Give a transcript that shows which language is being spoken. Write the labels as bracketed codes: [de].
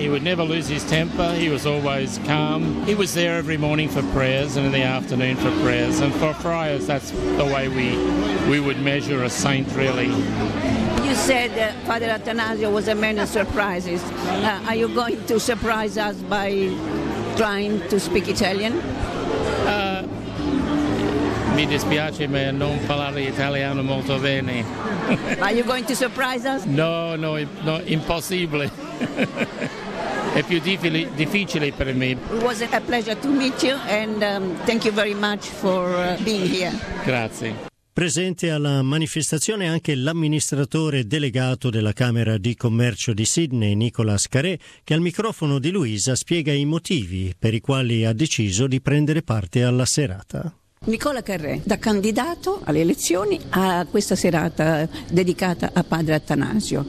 [en] He would never lose his temper. He was always calm. He was there every morning for prayers and in the afternoon for prayers. And for friars, that's the way we would measure a saint, really. You said Father Athanasio was a man of surprises. Are you going to surprise us by trying to speak Italian? [it] Mi dispiace, ma non parlare italiano molto bene. [en] Are you going to surprise us? [it] No, impossibile. È più difficile per me. [en] It was a pleasure to meet you, and thank you very much for being here. [it] Grazie. Presente alla manifestazione anche l'amministratore delegato della Camera di Commercio di Sydney, Nicolas Carré, che al microfono di Luisa spiega i motivi per i quali ha deciso di prendere parte alla serata. Nicola Carré, da candidato alle elezioni a questa serata dedicata a Padre Athanasio.